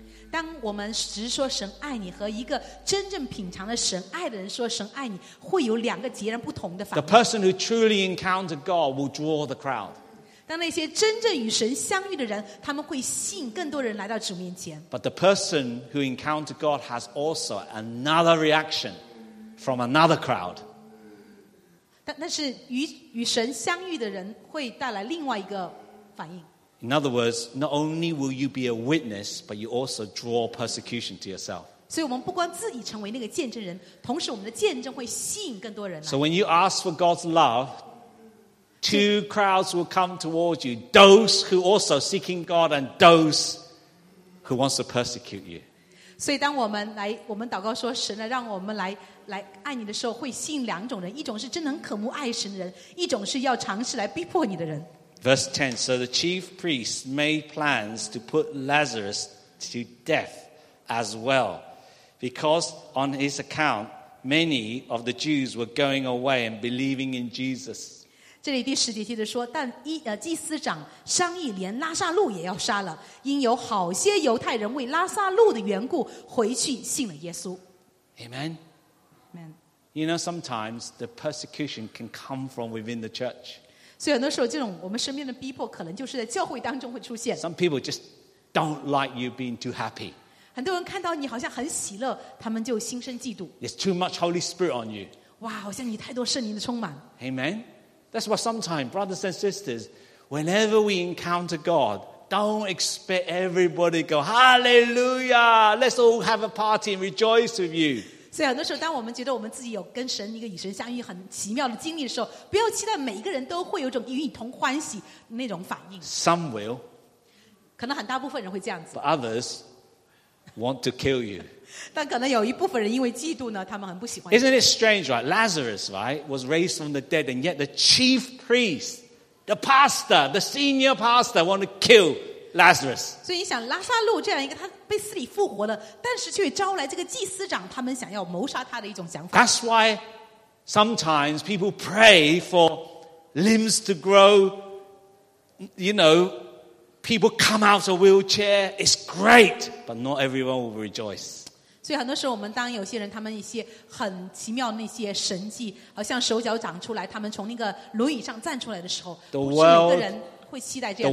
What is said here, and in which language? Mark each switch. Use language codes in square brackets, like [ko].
[zh] 当我们直说神爱你和一个真正品尝了神爱的人说神爱你，会有两个截然不同的反应。 [en] The person who truly encounters God will draw the crowd. [zh] 当那些真正与神相遇的人，他们会吸引更多人来到主面前。 [en] But the person who encounters God has also another reaction from another crowd. [zh] 但是与神相遇的人会带来另外一个反应。 [en] In other words, not only will you be a witness, but you also draw persecution to yourself. [zh] 所以我们不光自己成为那个见证人，同时我们的见证会吸引更多人来。 [en] So when you ask for God's love,Two crowds will come towards you, those who also seeking God and those who wants to persecute you. [zh] 所以当我们祷告说神来让我们来爱你的时候，会吸引两种人，一种是真能渴慕爱神的人，一种是要尝试来逼迫你的人。 [en] Verse 10, so the chief priests made plans to put Lazarus to death as well, because on his account, many of the Jews were going away and believing in Jesus. [zh] 这里第十节接着说，但祭司长商议连拉撒路也要杀了，因有好些犹太人为拉撒路的缘故回去信了耶稣。 [en] Amen. Amen. You know, sometimes the persecution can come from within the church. [zh] 所以很多时候这种我们身边的逼迫可能就是在教会当中会出现。 [en] Some people just don't like you being too happy. [zh] 很多人看到你好像很喜乐，他们就心生嫉妒。 [en] There's too much Holy Spirit on you. [zh] 哇，好像你太多圣灵的充满。 [en] Amen. That's why sometimes, brothers and sisters, whenever we encounter God, don't expect everybody to go, Hallelujah! Let's all have a party and rejoice with you. [zh] 所以很多时候，当我们觉得我们自己有跟神一个与神相遇很奇妙的经历的时候，不要期待每一个人都会有种与你同欢喜那种反应。 [en] Some will. [zh] 可能很大部分人会这样子。 [en] But others want to kill you. [zh] 但可能有一部分人因为嫉妒呢，他们很不喜欢。 [en] Isn't it strange, right? Lazarus, right, was raised from the dead, and yet the chief priest, the pastor, the senior pastor, want to kill Lazarus. [zh] 所以你想，拉撒路这样一个他被死里复活了，但是却招来这个祭司长，他们想要谋杀他的一种想法。 [en] That's why sometimes people pray for limbs to grow. You know, people come out of a wheelchair. It's great, but not everyone will rejoice. [zh] 所以很多时候我们当有些人他们一些很奇妙那些神迹好像手脚长出来他们从那个轮椅上站出来的时候 [en] the world, [zh] 不是每个人会期待这样